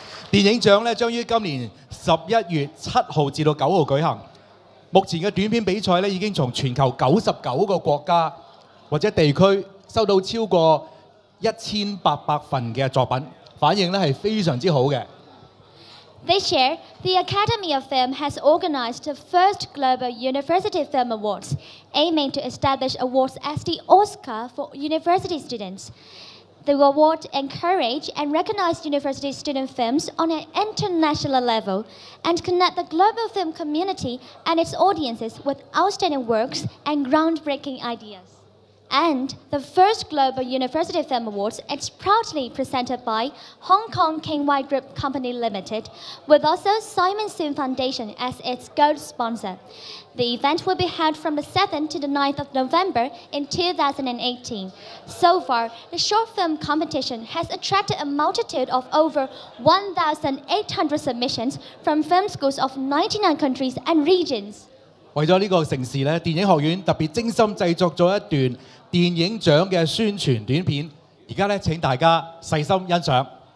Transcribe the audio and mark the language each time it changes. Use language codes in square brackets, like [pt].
[zh] 電影獎將於今年11月7日至9日舉行，目前的短片比賽已經從全球99個國家或者地區收到超過1800份的作品，反應是非常之好的。 [en] This year, the Academy of Film has organized the first Global University Film Awards, aiming to establish awards as the Oscar for university students. The award encourages and recognizes university student films on an international level and connects the global film community and its audiences with outstanding works and groundbreaking ideas. And the first Global University Film Awards is proudly presented by Hong Kong King White Group Company Limited, with also Simon Soon Foundation as its gold sponsor. The event will be held from the 7th to the 9th of November in 2018. So far, the short film competition has attracted a multitude of over 1,800 submissions from film schools of 99 countries and regions. [zh] 為了這個城市，電影學院特別精心製作了一段電影獎的宣傳短片，現在請大家細心欣賞。